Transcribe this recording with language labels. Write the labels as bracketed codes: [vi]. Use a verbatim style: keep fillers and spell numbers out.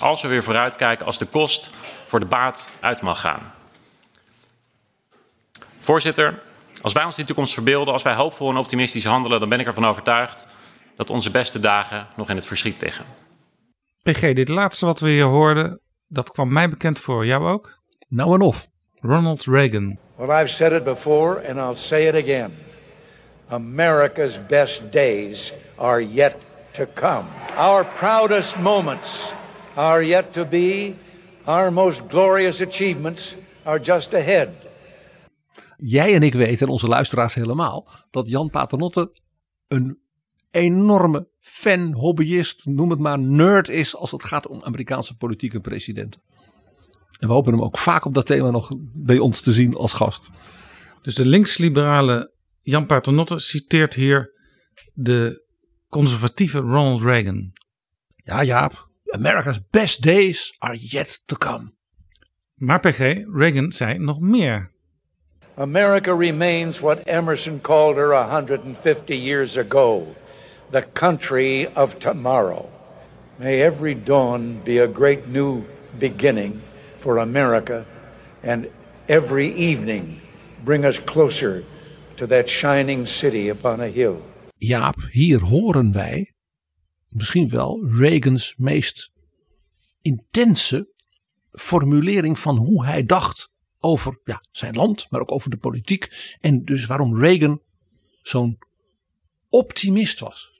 [nl] Als we weer vooruitkijken, als de kost voor de baat uit mag gaan. Voorzitter, als wij ons die toekomst verbeelden, als wij hoopvol en optimistisch handelen, dan ben ik ervan overtuigd dat onze beste dagen nog in het verschiet liggen. P G, dit laatste wat we hier hoorden, dat kwam mij bekend voor. Jou ook? Nou en of. Ronald Reagan. [en] Well, I've said it before and I'll say it again. America's best days are yet to come. Our proudest moments are yet to be. Our most glorious achievements are just ahead. [nl] Jij en ik weten, en onze luisteraars helemaal, dat Jan Paternotte een enorme fan, hobbyist, noem het maar, nerd is als het gaat om Amerikaanse politieke presidenten. En we hopen hem ook vaak op dat thema nog bij ons te zien als gast. Dus de linksliberale Jan Paternotte citeert hier de conservatieve Ronald Reagan. Ja, Jaap. [en] America's best days are yet to come. [nl] Maar P G, Reagan zei nog meer. [en] America remains what Emerson called her one hundred fifty years ago. The country of tomorrow. May every dawn be a great new beginning for America, and every evening bring us closer to that shining city upon a hill. [nl] Jaap, hier horen wij misschien wel Reagan's meest intense formulering van hoe hij dacht over ja, zijn land, maar ook over de politiek. En dus waarom Reagan zo'n optimist was.